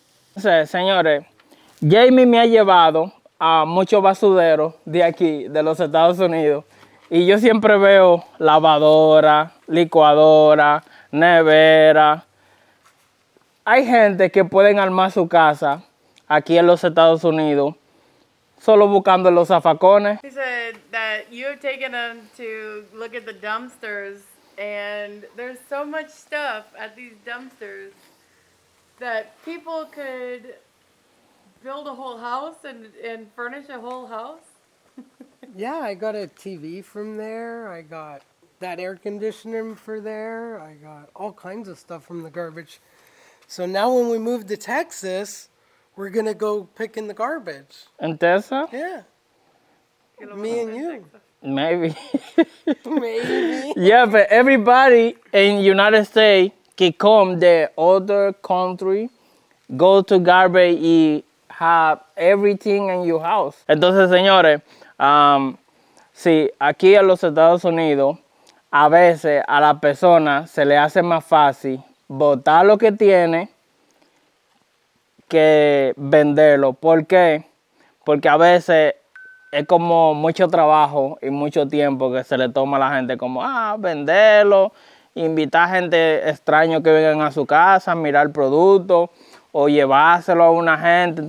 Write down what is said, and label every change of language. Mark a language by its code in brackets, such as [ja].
[es] Entonces, señores, Jamie me ha llevado a muchos basureros de aquí, de los Estados Unidos. Y yo siempre veo lavadora, licuadora, nevera. Hay gente que pueden armar su casa aquí en los Estados Unidos solo buscando los zafacones. [en] He said that you've taken them to look at the dumpsters and there's so much stuff at these dumpsters that people could build a whole house and furnish a whole house. Yeah, I got a TV from there. I got that air conditioner for there. I got all kinds of stuff from the garbage. So now when we move to Texas, we're going to go pick in the garbage. And Tessa? Yeah. Me and you. Texas. Maybe. Maybe. Yeah, but everybody in United States que come the other country, go to garbage y have everything in your house. [es] Entonces, señores, sí, aquí en los Estados Unidos, a veces a la persona se le hace más fácil botar lo que tiene que venderlo. ¿Por qué? Porque a veces es como mucho trabajo y mucho tiempo que se le toma a la gente como, venderlo, invitar a gente extraña que vengan a su casa, mirar el producto o llevárselo a una gente.